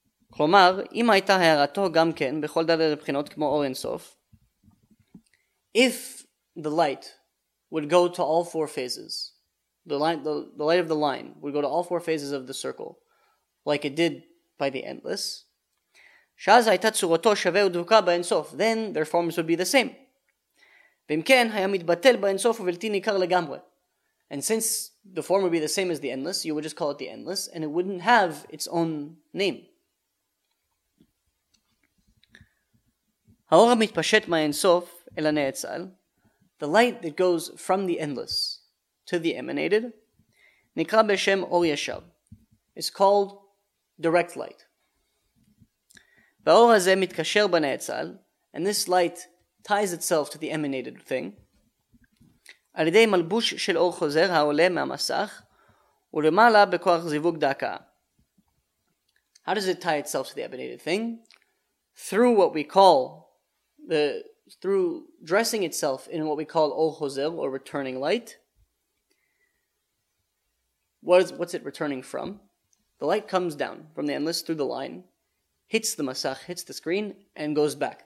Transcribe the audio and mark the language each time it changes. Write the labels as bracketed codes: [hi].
[he] כלומר, אם הייתה הערתו גם כן, בכל דבר לבחינות כמו אור אינסוף, [en] if the light would go to all four phases, the light of the line would go to all four phases of the circle, like it did by the endless, [he] שאז הייתה צורתו שווה ודבוקה באינסוף, [en] then their forms would be the same. [he] ואם כן, היה מתבטל באינסוף ובלתי ניכר לגמרי. [en] And since the form would be the same as the endless, you would just call it the endless, and it wouldn't have its own name. [he] האור המתפשט מהאינסוף אל הנאצל, [en] the light that goes from the endless to the emanated, [he] נקרא בשם אור ישר. [en] It's called direct light. [he] והאור הזה מתקשר בנאצל, [en] and this light ties itself to the emanated thing, [he] על ידי מלבוש של אור חוזר העולה מהמסך, ולמעלה בכוח זיווג דקה. [en] How does it tie itself to the emanated thing? Through what we call through dressing itself in what we call ol hozer, or returning light. What's it returning from? The light comes down from the endless through the line, hits the masach, hits the screen, and goes back.